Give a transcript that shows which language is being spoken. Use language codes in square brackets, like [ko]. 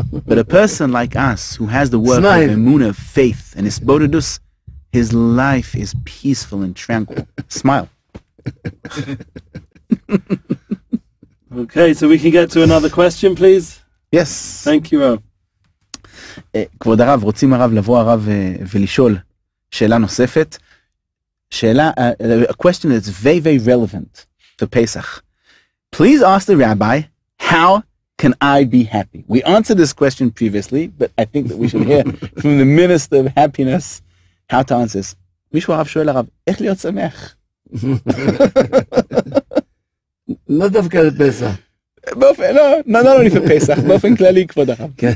[en] But a person like us who has the work of Emunah of faith and his Bodidus, his life is peaceful and tranquil. Smile. Okay, so we can get to another question, please. Yes. Thank you, Rav. [he] כבוד הרב, רוצים הרב לבוא הרב ולשאול שאלה נוספת. [en] שאלה, a question that's very, very relevant for Pesach. Please ask the rabbi, how can I be happy? We answered this question previously, but I think that we should hear from the minister of happiness. How to answer this? [he] Mishwa Rav shoel Rav, איך להיות שמח? לא דווקא לפסח. לא, [en] not only for Pesach, [he] באופן כללי כבוד הרב.